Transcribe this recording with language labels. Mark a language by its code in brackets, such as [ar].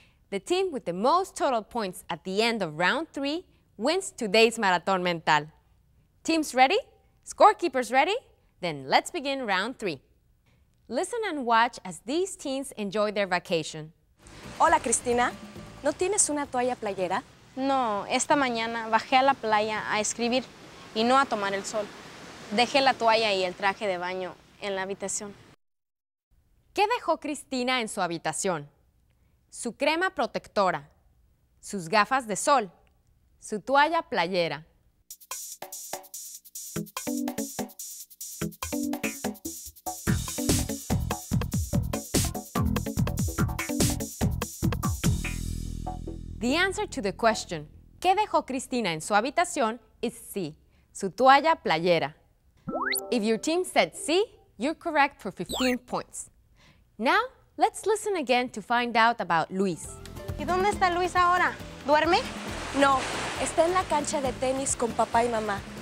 [en] The team with the most total points at the end of round three wins today's Maratón Mental. Teams ready? Scorekeepers ready? Then let's begin round three. Listen and watch as these teens enjoy their vacation. [es] Hola, Cristina. ¿No tienes una toalla playera? No, esta mañana bajé a la playa a escribir y no a tomar el sol. Dejé la toalla y el traje de baño en la habitación. ¿Qué dejó Cristina en su habitación? Su crema protectora, sus gafas de sol, su toalla playera. [en] The answer to the question, [es] ¿qué dejó Cristina en su habitación? [en] Is C, [es] su toalla playera. [en] If your team said C, you're correct for 15 points. Now, let's listen again to find out about Luis. [es] ¿Y dónde está Luis ahora? ¿Duerme? No, está en la cancha de tenis con papá y mamá.